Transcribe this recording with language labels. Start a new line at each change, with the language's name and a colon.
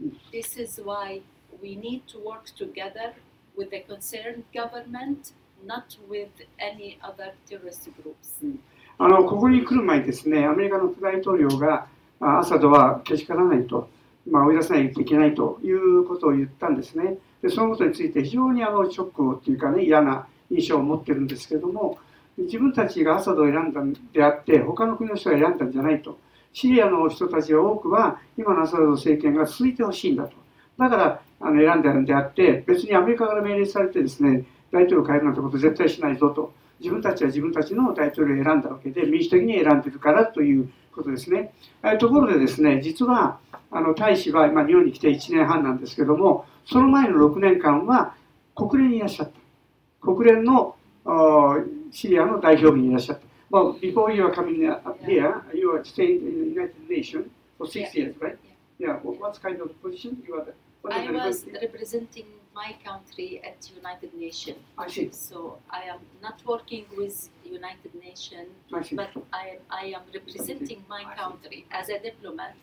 English: This is why we need to work together with the concerned government, not with any other terrorist groups.
Japanese: あのここに来る前ですね、アメリカの副大統領がアサドはけしからないと、まあ、追い出さないといけないということを言ったんですね。でそのことについて非常にあのショックっていうかね、嫌な印象を持ってるんですけども、自分たちがアサドを選んだんであって他の国の人が選んだんじゃないと、シリアの人たちは多くは今のアサド政権が続いてほしいんだと、だからあの選んだんであって、別にアメリカから命令されてですね大統領を変えるなんてこと絶対しないぞと、自分たちは自分たちの大統領を選んだわけで民主的に選んでるからということですね。ところでですね、実はあの大使は今日本に来て1年半なんですけども、その前の6年間は国連にいらっしゃった、国連のシリアの代表部にいらっしゃった。
English: Well, before you are coming up here, yeah. You are staying in the United Nations for 6 yeah. years, right? Yeah. Yeah. What kind of position you are there? I was representing my country at United Nations. I see. So I am not working with United Nations, but I am representing my country as a diplomat.